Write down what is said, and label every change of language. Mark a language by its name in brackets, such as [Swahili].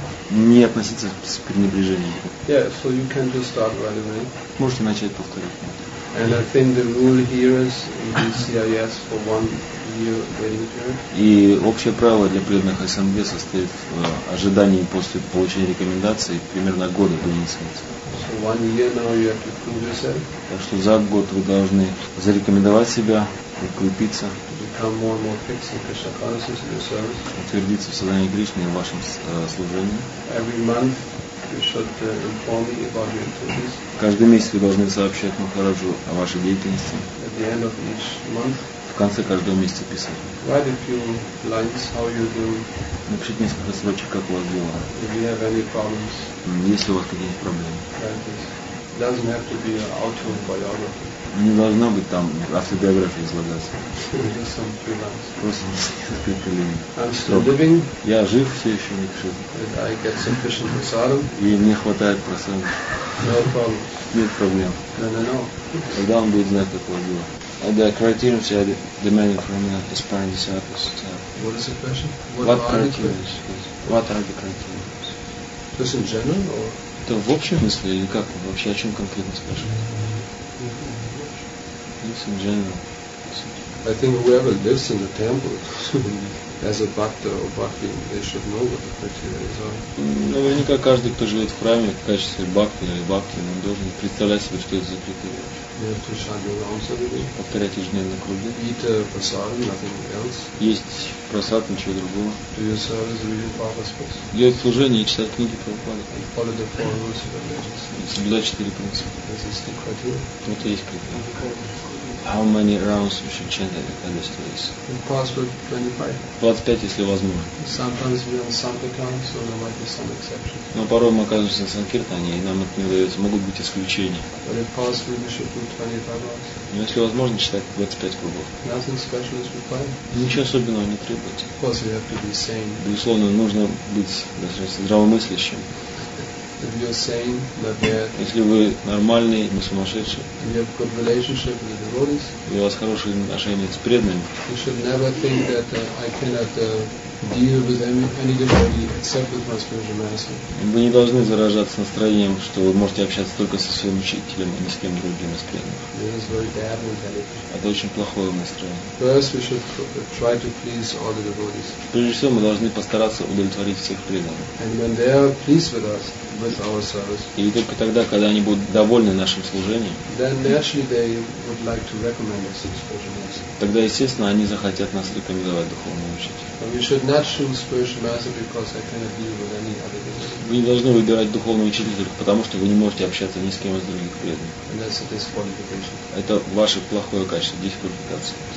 [Russian] Не относиться с пренебрежением. Можете начать повторять. [English] And I think the rule here is in CIS for 1 year waiting period. [Russian] И общее правило для преданных СНГ состоит в ожидании после получения рекомендации примерно года до инициации. [English] So 1 year now you have to prove yourself. [Russian] Так что за год вы должны зарекомендовать себя, укрепиться. [English] Become more and more fixed in Krishna consciousness in your service. [Russian] Утвердиться в сознании Кришны и в вашем служении. [English] Every month. You should inform me about your activities. [Russian] Каждый месяц вы должны сообщать Махараджу о вашей деятельности. [English] At the end of each month. [Russian] В конце каждого месяца писать. [English] Write a few lines how you do. [Russian] Напишите несколько строчек, как у вас дела. [English] If you have any problems. [Russian] Если у вас какие-нибудь проблемы. [English] It doesn't have to be an autobiography. [Russian] Не должна быть там автобиография излагаться. [English] Just some few lines. [Russian] Просто несколько линий. [English] I'm still living. [Russian] Я жив, все еще не пишу. [English] And I get sufficient prasadam. [Russian] И мне хватает просадам. [English] No problems. [Russian] Нет проблем. [English] Then I know. [Russian] Тогда он будет знать, как его дела. [English] The criteria that are demanded from the aspiring disciples. What is the question? What are the criteria? Just in general, or? [Russian] Это в общем смысле или как? Вообще о чем конкретно спрашивают? [English] Yes, in general. I think whoever lives in the temple as a bhakta or bhakti, they should know what the criteria is. [Russian] Наверняка каждый, кто живет в храме в качестве бхакти или бхакти, он должен представлять себе, что это за критерия. Повторять ежедневно круги. [English] Eat prasad, nothing else. [Russian] Есть просад, ничего другого. [English] Do your service, read your Prabhupada's books. [Russian] Делать служение и читать книги Прабхупады. [English] And follow the four rules of religion. [Russian] И соблюдать четыре принципа. [English] This is the criteria. [Russian] Вот есть критерия. [English] How many rounds you should chant at the end of the days? Impossible, 25. [Russian] 25, если возможно. [English] Sometimes we are on Sankirtan, so there might be some exceptions. [Russian] Но порой мы оказываемся на Санкиртане, и нам это не удается. Могут быть исключения. [English] But impossible, we should do 25 rounds. [Russian] Но если возможно, читать 25 кругов. [English] Nothing special is required. [Russian] Ничего особенного не требуется. [English] Of course, you have to be sane. [Russian] Безусловно, нужно быть достаточно здравомыслящим. [English] If you're sane, not bad. [Russian] Если вы нормальный, не сумасшедший. [English] You have good relationship with the devotees. [Russian] И у вас хорошие отношения с преданными. [English] You should never think that I cannot deal with anybody except with my spiritual master. [Russian] Вы не должны заражаться настроением, что вы можете общаться только со своим учителем, а не с кем другим из преданных. Это очень плохое настроение. [English] First we should try to please all the devotees. [Russian] Прежде всего мы должны постараться удовлетворить всех преданных. [English] And when they are pleased with us, with our service. [Russian] И только тогда, когда они будут довольны нашим служением. [English] Then naturally they would like to recommend us to spiritual master. [Russian] Тогда естественно они захотят нас рекомендовать духовному учителю. [English] But we should not choose spiritual master because I cannot deal with any other devotees. [Russian] Вы не должны выбирать духовного учителя, потому что вы не можете общаться ни с кем из других преданных. Это ваше плохое качество, дисквалификация.